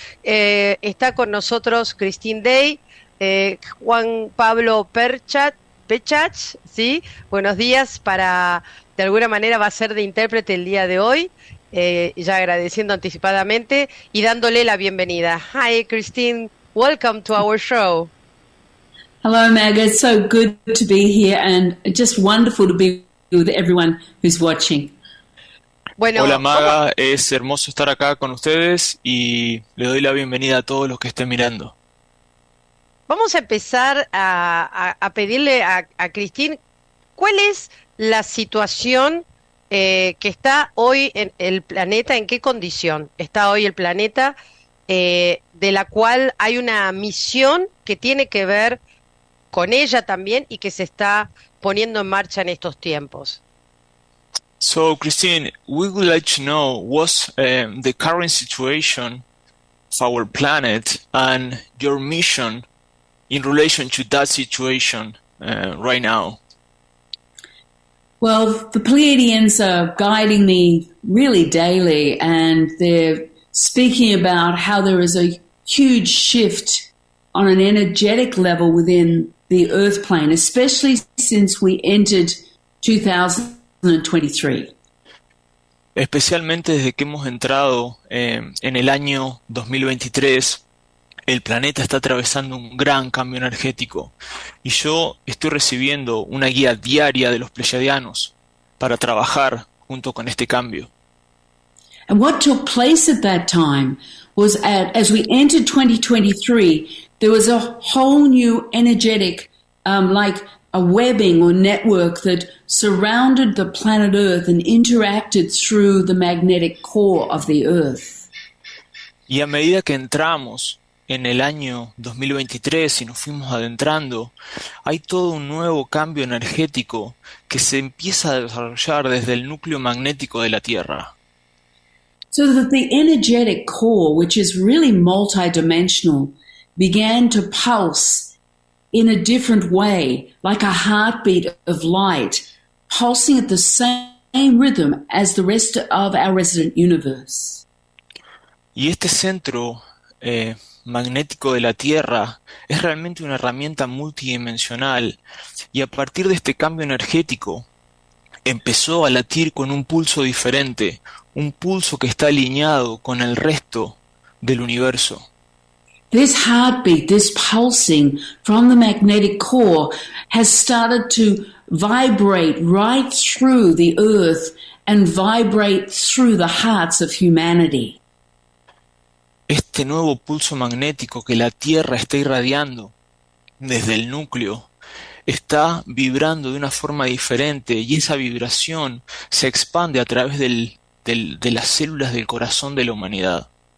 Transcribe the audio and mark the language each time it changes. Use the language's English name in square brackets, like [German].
[Spanish] Está con nosotros Christine Day, Juan Pablo Pechach, ¿sí? Buenos días, para de alguna manera va a ser de intérprete el día de hoy, ya agradeciendo anticipadamente y dándole la bienvenida. [English] Hi Christine, welcome to our show. Hello, Meg. It's so good to be here and just wonderful to be with everyone who's watching. [Spanish] Bueno, hola, Maga. ¿Cómo? Es hermoso estar acá con ustedes y le doy la bienvenida a todos los que estén mirando. Vamos a empezar a pedirle a Christine cuál es la situación que está hoy en el planeta, en qué condición está hoy el planeta, de la cual hay una misión que tiene que ver con ella también y que se está poniendo en marcha en estos tiempos. [English] So, Christine, we would like to know what's the current situation of our planet and your mission in relation to that situation right now. Well, the Pleiadians are guiding me really daily, and they're speaking about how there is a huge shift on an energetic level within the Earth plane, especially since we entered 2023. [Spanish] Especialmente desde que hemos entrado en el año 2023, el planeta está atravesando un gran cambio energético, y yo estoy recibiendo una guía diaria de los pleyadianos para trabajar junto con este cambio. [English] And what took place at that time was that as we entered 2023, there was a whole new energetic, like a webbing or network that surrounded the planet Earth and interacted through the magnetic core of the Earth. [Spanish] Y a medida que entramos en el año 2023 y nos fuimos adentrando, hay todo un nuevo cambio energético que se empieza a desarrollar desde el núcleo magnético de la Tierra. [English] So that the energetic core, which is really multidimensional, began to pulse in a different way, like a heartbeat of light, pulsing at the same rhythm as the rest of our resident universe. [Spanish] Y este centro magnético de la Tierra es realmente una herramienta multidimensional, y a partir de este cambio energético empezó a latir con un pulso diferente, un pulso que está alineado con el resto del universo. [English] This heartbeat, this pulsing from the magnetic core has started to vibrate right through the earth and vibrate through the hearts of humanity. [Spanish] Este nuevo pulso magnético que la Tierra está irradiando desde el núcleo está vibrando de una forma diferente, y esa vibración se expande a través de las células del corazón de la humanidad.